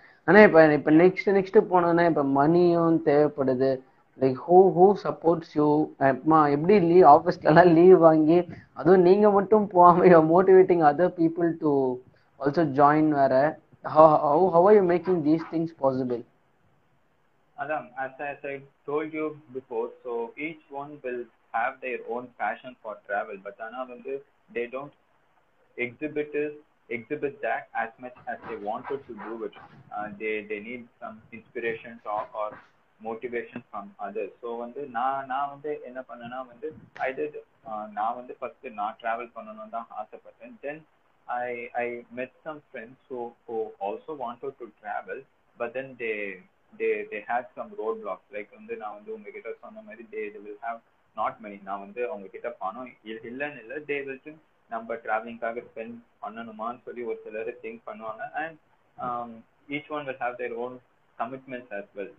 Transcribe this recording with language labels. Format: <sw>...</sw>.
<ta>ஆனால் இப்போ next next போனோம்னா இப்போ மணியும் தேவைப்படுது.</ta> <en>Like who who supports you?</en> <ta>அம்மா எப்படி லீவ் ஆஃபீஸ்லலாம் லீவ் வாங்கி, அதுவும் நீங்கள் மட்டும் போகாமல்</ta> <en>You motivating other people to also join வேற, how how are you making these things possible? அதான் as I told you before, so each one will have their own passion for travel, but</en> <ta>ஆனால் வந்து</ta> <en>they don't exhibit that as much as they wanted to do it. They need some inspiration talk or motivation from others.</en> <ta>So வந்து நான் வந்து என்ன பண்ணனா வந்து</ta> <en>I did</en> <ta>நான் வந்து first நான் travel பண்ணணும் தான் ஆசைப்பட்டேன்.</ta> <en>Then I met some friends who also wanted to travel, but then they had some roadblocks.</en> <ta>Like வந்து நான் வந்து உங்ககிட்ட சொன்ன மாதிரி</ta> <en>they will have not money.</en> <ta>நான் வந்து அவங்ககிட்ட பணம் இல்லைன்னு இல்லை,</ta> <en>they will think</en> <ta>நம்ம டிராவலிங்காக ஸ்பெண்ட் பண்ணணுமான்னு சொல்லி ஒரு சிலர் திங்க் பண்ணுவாங்க.</ta> <en>And each one will have their own commitments as well.</en>